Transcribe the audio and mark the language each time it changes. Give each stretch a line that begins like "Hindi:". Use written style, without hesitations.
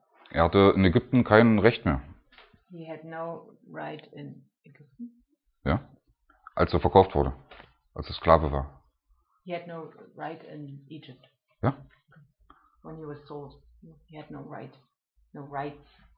German: Er hatte in Ägypten kein Recht mehr.
English: He had no right in Ägypten.
German: Ja, als er verkauft wurde, als er Sklave war.
English: He had no right in Egypt.
German: Ja.
English: When he was sold, he had no right, no rights.